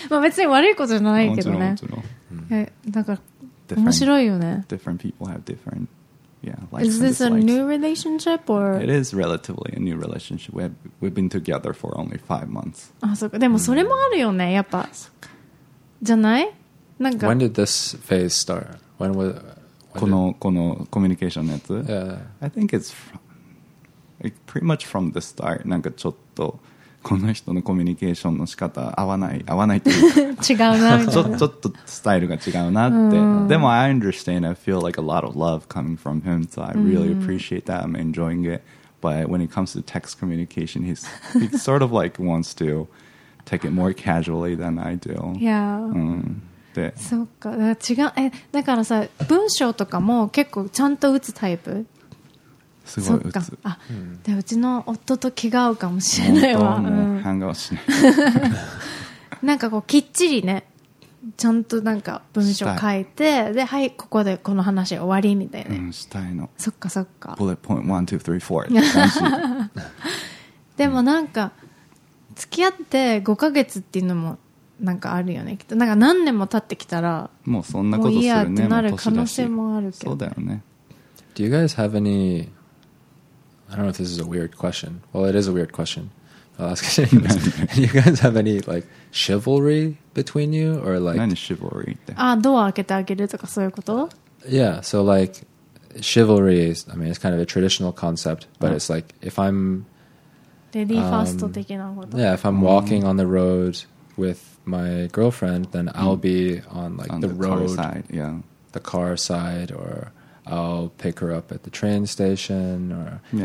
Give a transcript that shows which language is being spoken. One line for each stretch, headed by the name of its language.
Japanese: まあ別に悪いことじゃないけどね。だから、面白いよね。
English: Different people have different, yeah, likes and dislikes. Is this a new relationship or? It is relatively a new relationship. We've been together for only 5 months.
Japanese: あ、そっか。でもそれもあるよね、やっぱ。じゃない？なんか。
English: When did this phase start? When was?
Japanese: このコミュニケーションのやつ？
English: Yeah. I think it's pretty much from the start.
Japanese: なんかちょっとこの人のコミュニケーションの仕方合わないっていうか違うなみたいなちょっとスタイルが違うなって、うん、でも
English: I understand, I feel like a lot of love coming from him, so I really appreciate that, I'm enjoying it, but when it comes to text communication, he sort of like wants to take it more casually than I do. Yeah.
Japanese: うん、でそっか、だから違う、だからさ、文章とかも結構ちゃんと打つタイプ。すごい、そっか、あ、うん、でうちの夫と気が合うかもしれないわ。もう反応しない。なんかこうきっちりね、ちゃんとなんか文章書いて、で、はい、ここでこの話終わりみたいな、うん、したいの。そっかそっか、ボレットポイント1、2、3、4。でもなんか付き合って5ヶ月っていうのもなんかあるよね、きっと。なんか何年も経ってきたらもうそんなことするね、もういいやってなる可能性もあるけど、そうだよね。
English: Do you guys have any、I don't know if this is a weird question. Well, it is a weird question. I'll ask it anyways. Do you guys have any, like, chivalry between you? Or, like...
Japanese: 何 chivalry? Ah, ドア開けてあげるとかそういうこと?
English: Yeah, so, like, chivalry is, I mean, it's kind of a traditional concept, but it's like, if I'm...
Japanese: Lady first 的なこと。
English: Yeah, if I'm walking on the road with my girlfriend, then I'll be on, like, the road... On the car side, yeah. the car side, or I'll pick her up at the train station, or yeah.